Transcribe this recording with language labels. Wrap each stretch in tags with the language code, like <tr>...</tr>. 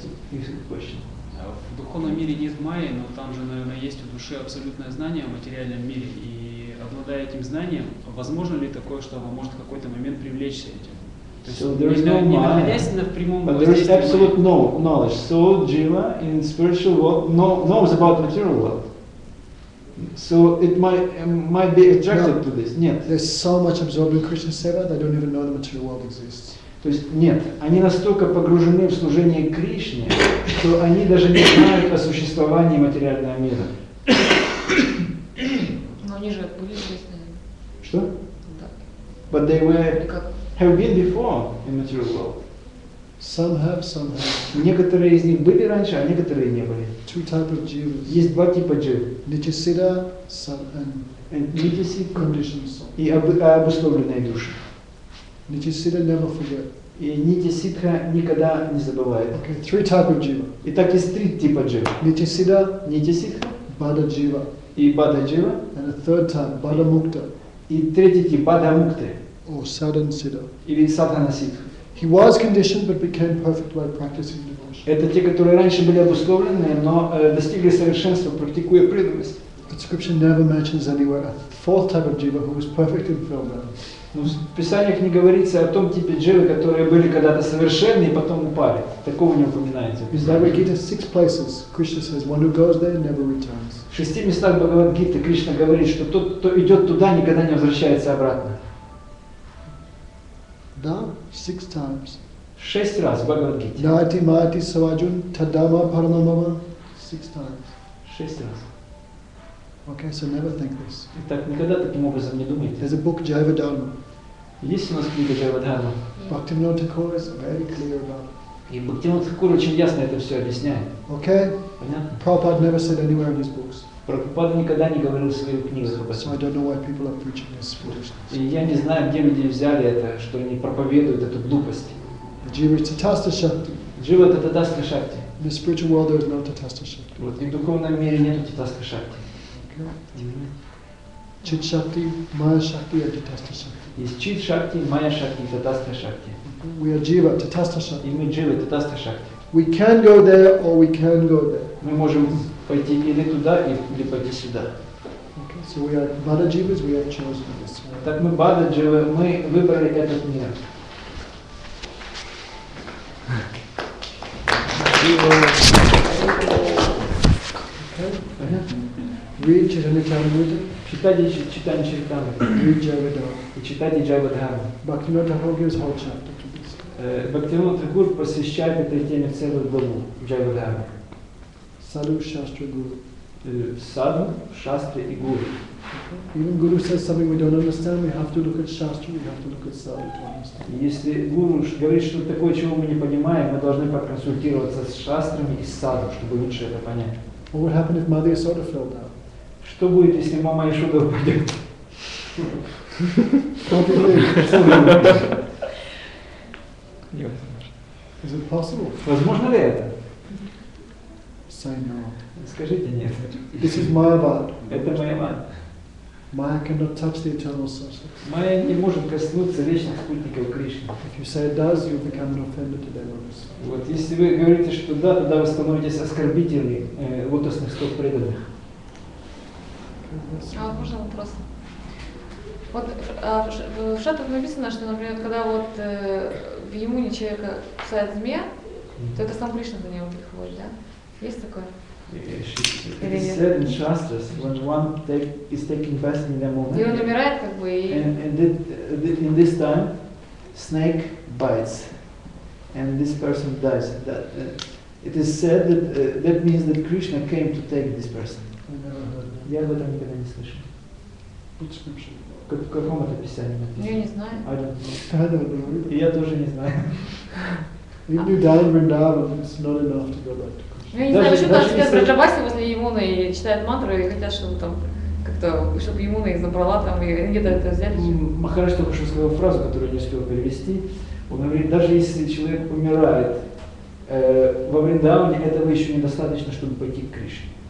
<ru>В духовном мире нет Майи, но там же, наверное, есть у души абсолютное знание о материальном мире. И обладая этим знанием, возможно ли такое, что оно может в какой-то момент привлечься этим? То есть, не находясь в прямом воздействии.</ru> <en>So, jiva in spiritual world knows about material world. So, it might be attracted to this.</en> <ru>Нет.</ru> <en>There's so much absorbed in Krishna seva, they don't even know the material world exists.</en> <ru>То есть нет, они настолько погружены в служение Кришне, что они даже не знают о существовании материального мира. Но они же были известны. Что? Да.</ru> <en>But they were have been before in material world. Some have.</en> <ru>Некоторые из них были раньше, а некоторые не были.</ru> <en>Two types of jivas.</en> <ru>Есть два типа джив.</ru> <en>Nityasiddha, and nityasiddha conditioned soul.</en> <ru>И обусловленные души.</ru> <en>Nityasiddha never forget.</en> <ru>И Нитисидха никогда не забывает.</ru> <en>Okay, three type of jiva.</en> <ru>Итак, есть три типа джива.</ru> <en>Nityasiddha, Bada jiva.</en> <ru>И Bada jiva.</ru> <en>And a third type, Bada mukta.</en> <ru>И третий тип, Bada mukta.</ru> <en>Or Sadhana siddha.</en> <ru>Или Sadhana siddha.</ru> <en>He was conditioned, but became perfect by practicing devotion.</en> <ru>Это те, которые раньше были обусловлены, но достигли совершенства, практикуя преданность.</ru> <en>But scripture never mentions anywhere a fourth type of jiva who was perfect in fulfillment.</en> <ru>Ну, в писаниях не говорится о том типе дживы, которые были когда-то совершенны и потом упали. Такого не упоминается.</ru> <en>In Bhagavad Gita, six places, Krishna says, one who goes there never returns.</en> <ru>В шести местах Бхагавад Гиты Кришна говорит, что тот, кто идет туда, никогда не возвращается обратно.</ru> <en>Да, six times.</en> <ru>Шесть раз в Бхагавад Гите.</ru> <sa>Нати мати саваджун тадама парамамама.</sa> <en>Six times.</en> <ru>Шесть раз.</ru> <en>Okay, so never think this.</en> <ru>Итак, никогда таким образом не думайте.</ru> <en>There's a book, Jiva Dharma.</en> <ru>Есть у нас книга Jiva Dharma.</ru> <en>Bhaktivinoda Thakur is very clear about it.</en> <ru>И Бхактивинода Тхакура очень ясно это все объясняет.</ru> <en>Okay.</en> <ru>Понятно?</ru> <en>Prabhupada never said anywhere in his books.</en> <ru>Прабхупада никогда не говорил в своих книгах.</ru> <en>So I don't know why people are preaching this foolishness.</en> <ru>И я не знаю, где люди взяли это, что они проповедуют эту глупость.</ru> <en>Jiva is Tathasta Shakti.</en> <ru>Jiva – это Tathasta Shakti.</ru> <en>In the spiritual world there is no Tathasta Shakti.</en> <ru>Вот, и в духовном мире нету Tathasta Shakti. Чит шакти, майя шакти, и татаста шакти. Есть чит шакти, майя шакти, и татаста шакти.</ru> <en>We are jiva, татаста шакти.</en> <ru>И мы дживы, татаста шакти.</ru> <en>We can go there, or we can go there.</en> <ru>Мы можем пойти или туда, или пойти сюда.</ru> <en>Okay, so we are bada jivas, we are chosen this way.</en> <ru>Так мы бада дживы, мы выбрали этот мир.</ru> <en>Read Charitamrita.</en> <ru>Читать Чаритамриту.</ru> <en>Read Джавадхарму.</en> <ru>И читать Джавадхарму.</ru> <en>Бхактивинода Тхакур whole chapter.</en> <ru>Бхактивинода Тхакур посвящает этой теме целую главу Джавадхарму. Саду Шастра Гуру. Саду, Шастра и Гуру.</ru> <en>Even Guru says something we don't understand, we have to look at Shastra, we have to look at Sadhu to understand.</en> <ru>Если Гуру говорит что-то такое, чего мы не понимаем, мы должны проконсультироваться с Шастрами и с Саду, чтобы лучше это понять.</ru> <en>What would happen if Mother Yashoda fell down?</en> <ru>Что будет, если мама Яшода упадет?</ru> <en>Don't believe. Is it possible?</en> <ru>Возможно ли это?</ru> <en>Say no.</en> <ru>Скажите нет.</ru> <en>This is Mayavad.</en> <ru>Это Mayavad.</ru> <en>Maya cannot touch the eternal sources.</en> <ru>Maya не может коснуться вечных спутников Кришны.</ru> <en>If you say it does, you become an offender to devotees.</en> <ru>Вот если вы говорите, что да, тогда вы становитесь оскорбителем лотосных стоп преданных. А можно вопрос? Вот в шатах написано, что, например, когда вот в Ямуне человека кусает змея, то это сам Кришна до него приходит, да? Есть такое?</ru> <en>It is said in Shastras, when one is taking bath in the moment, and in this time, snake bites, and this person dies. That, it is said that that means that Krishna came to take this person.</en> <ru>Я об этом никогда не слышал.</ru> <en>Description.</en> <ru>В каком это писании написано? Я не знаю.</ru> <en>I don't know.</en> <ru>Я тоже не знаю.</ru> <en>If you die in Vrindavan, it's not enough to go back to.</en> <ru>Я не знаю, почему там сидят Браджабаси возле Ямуны и читают мантру и хотят, чтобы там как-то, чтобы Ямуна их забрала там и где-то это взяли. Махарадж только что сказал фразу, которую не успел перевести. Он говорит, даже если человек умирает во Вриндауне, этого еще недостаточно, чтобы пойти к Кришне.</ru>